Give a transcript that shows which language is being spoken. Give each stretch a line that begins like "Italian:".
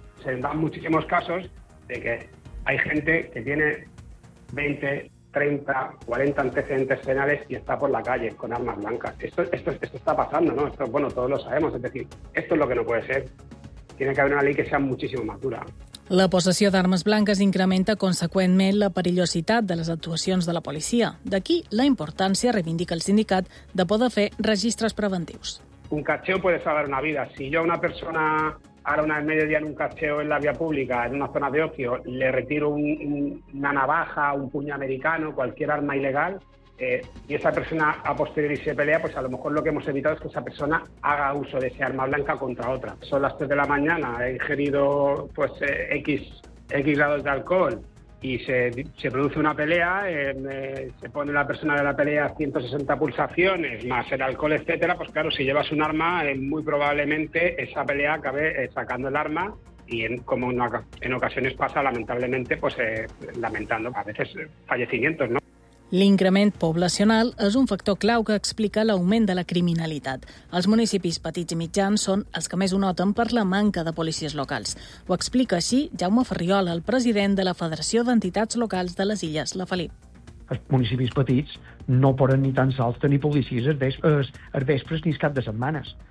Spanish: Se dan muchísimos casos de que hay gente que tiene 20, 30, 40 antecedentes penales y está por la calle con armas blancas. Esto está pasando, ¿no? Esto, bueno, todos lo sabemos. Es decir, esto es lo que no puede ser. Tiene que haber una ley que sea muchísimo más dura.
Catalan: La possessió d'armes blanques incrementa conseqüentment la perillositat de les actuacions de la policia. D'aquí la importància, reivindica el sindicat, de poder fer registres preventius.
Spanish: Un cacheo puede salvar una vida. Si yo a una persona ahora una vez medio día en un cacheo en la vía pública, en una zona de ocio, le retiro una navaja, un puño americano, cualquier arma ilegal, y esa persona a posteriori se pelea, pues a lo mejor lo que hemos evitado es que esa persona haga uso de ese arma blanca contra otra. Son las 3 de la mañana, he ingerido pues, X grados de alcohol y se produce una pelea, se pone la persona de la pelea 160 pulsaciones, más el alcohol, etcétera, pues claro, si llevas un arma, muy probablemente esa pelea acabe sacando el arma y como en ocasiones pasa, lamentablemente, pues lamentando a veces fallecimientos, ¿no?
Catalan: L'increment poblacional és un factor clau que explica l'augment de la criminalitat. Els municipis petits i mitjans són els que més ho noten per la manca de policies locals. Ho explica així Jaume Ferriol, el president de la Federació d'Entitats Locals de les Illes, la Felip. Els municipis petits no poden ni tan sols tenir policies els vespres ni els cap de setmanes.